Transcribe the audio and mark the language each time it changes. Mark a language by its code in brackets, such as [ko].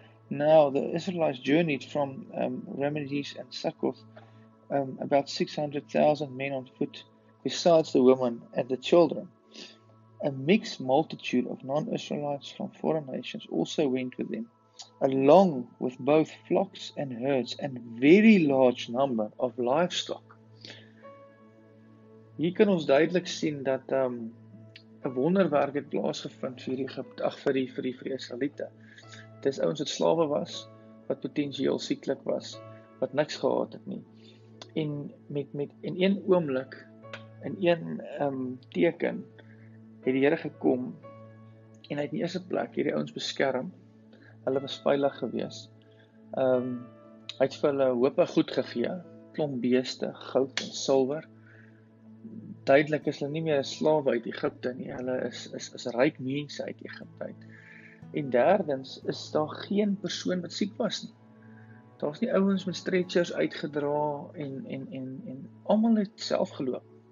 [en] Now the Israelites journeyed from Ramesses and Succoth, about 600,000 men on foot, besides the women and the children. A mixed multitude of non-Israelites from foreign nations also went with them, along with both flocks and herds and very large number of livestock. [af] Hier kan ons duidelik sien dat 'n wonderwerk het plaasgevind vir Egypte, ag vir die Israeliete. Dis ouens wat slawe was, wat potensieel sieklik was, wat niks gehad het nie. En met in een oomblik, in een teken, het die Here gekom en hy het in die eerste plek hierdie ouens beskerm. Hulle was veilig gewees. Hy het vir hulle hoop goed gegee, klomp beeste, goud en silwer. Duidelik is hulle nie meer slawe uit Egypte nie, hulle is ryk mense uit Egypte. En derdens is daar geen persoon wat siek was nie. Daar is nie ouens met stretchers uitgedra en almal het self geloop.